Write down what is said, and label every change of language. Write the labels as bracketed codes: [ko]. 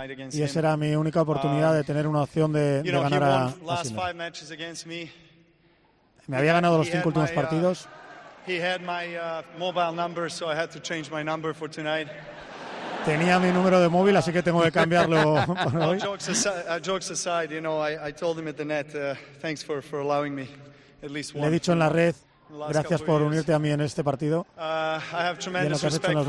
[es] Y esa era mi única oportunidad de tener una opción de ganar a Sinner. Me había ganado los 5 últimos partidos. [en] He had my mobile number, so I had to change my number for tonight. [es] Tenía mi número de móvil, así que tengo que cambiarlo por hoy. [en] Jokes aside, you know, I told him at the net, thanks for allowing me at least one. [es] Le he dicho en la red, gracias por unirte a mí en este partido. [en] I have tremendous [es] y en lo que has hecho en los